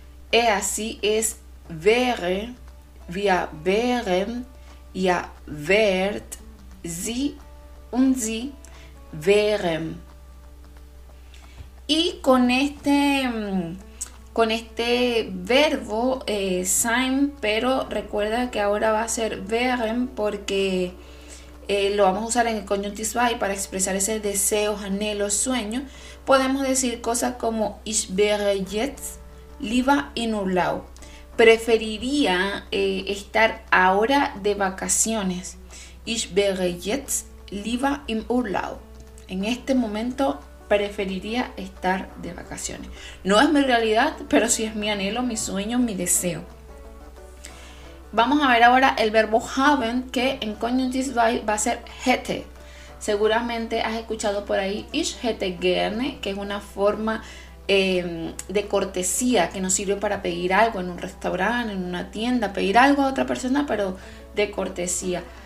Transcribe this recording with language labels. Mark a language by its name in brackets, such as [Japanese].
[Spanish] Es así [German] es wäre, wir wären, ihr wärt, sie und sie wären. [Spanish] Y con este verbo sein, pero recuerda que ahora va a ser wären porque lo vamos a usar en el Konjunktivbeispiel para expresar ese deseo, anhelo, sueño. Podemos decir cosas como [German] ich wäre jetzt lieber in Urlaub. [Spanish] Preferiría estar ahora de vacaciones. [German] Ich wäre jetzt lieber im Urlaub. [Spanish] En este momento preferiría estar de vacaciones. No es mi realidad, pero sí es mi anhelo, mi sueño, mi deseo. Vamos a ver ahora el verbo haben, que en Konjunktivbeispiel va a ser hätte. Seguramente has escuchado por ahí [German] ich hätte gerne, [Spanish] que es una forma de cortesía que nos sirve para pedir algo en un restaurante, en una tienda, pedir algo a otra persona, pero de cortesía.